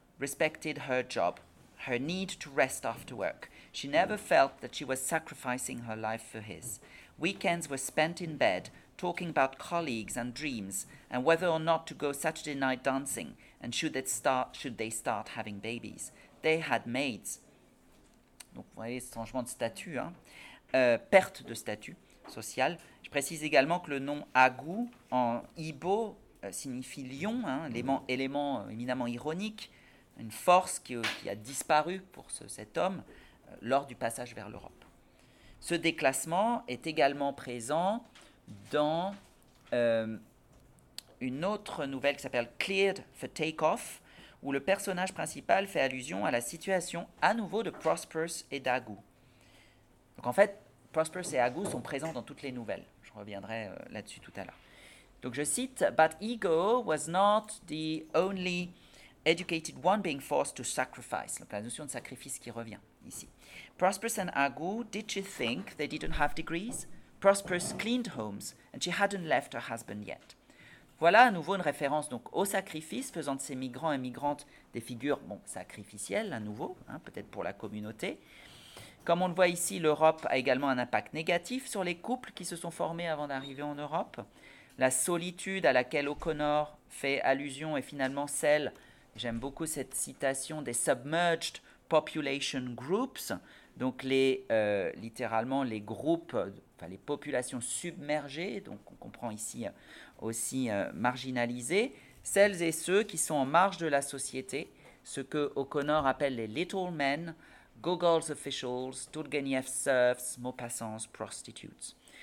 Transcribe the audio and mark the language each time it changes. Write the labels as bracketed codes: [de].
[en] respected her job, her need to rest after work. She never felt that she was sacrificing her life for his. Weekends were spent in bed, talking about colleagues and dreams, and whether or not to go Saturday night dancing, and should they start having babies. They had maids. [fr] Donc, vous voyez, changement de statut, hein. Perte de statut social. Je précise également que le nom Agu en Igbo signifie lion, hein, élément éminemment ironique, une force qui a disparu pour cet homme lors du passage vers l'Europe. Ce déclassement est également présent dans une autre nouvelle qui s'appelle Cleared for Takeoff, où le personnage principal fait allusion à la situation à nouveau de Prosperous et d'Agu. Donc en fait, Prosperous et Agu sont présents dans toutes les nouvelles. Je reviendrai là-dessus tout à l'heure. Donc je cite, [en] but ego was not the only educated one being forced to sacrifice. [fr] Donc la notion de sacrifice qui revient ici. [en] Prosperous and Agu, did you think they didn't have degrees? Prosperous cleaned homes and she hadn't left her husband yet. [fr] Voilà à nouveau une référence donc au sacrifice, faisant de ces migrants et migrantes des figures bon, sacrificielles à nouveau, hein, peut-être pour la communauté. Comme on le voit ici, l'Europe a également un impact négatif sur les couples qui se sont formés avant d'arriver en Europe. La solitude à laquelle O'Connor fait allusion est finalement celle, j'aime beaucoup cette citation, des [en] submerged population groups, [fr] donc littéralement les groupes, enfin les populations submergées, donc on comprend ici aussi marginalisées, celles et ceux qui sont en marge de la société, ce que O'Connor appelle les [en] little men, Gogol's officials, Turgenev's serfs, Maupassant's prostitutes.